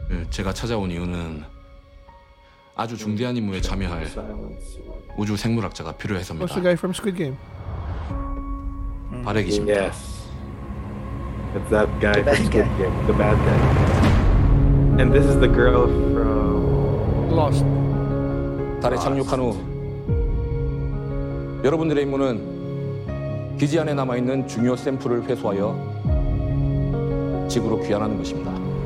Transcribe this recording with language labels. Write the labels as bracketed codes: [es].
[ko] 제가 찾아온 이유는 아주 중대한 임무에 참여할 우주 생물학자가 필요해서입니다. [en] What's the guy from Squid Game? [ko] 바래기십니다. [en] Yes. It's that guy from Squid Game, the bad guy. And this is the girl from Lost. [ko] 달에 착륙한 후 여러분들의 임무는 기지 안에 남아 있는 중요 샘플을 회수하여 지구로 귀환하는 것입니다.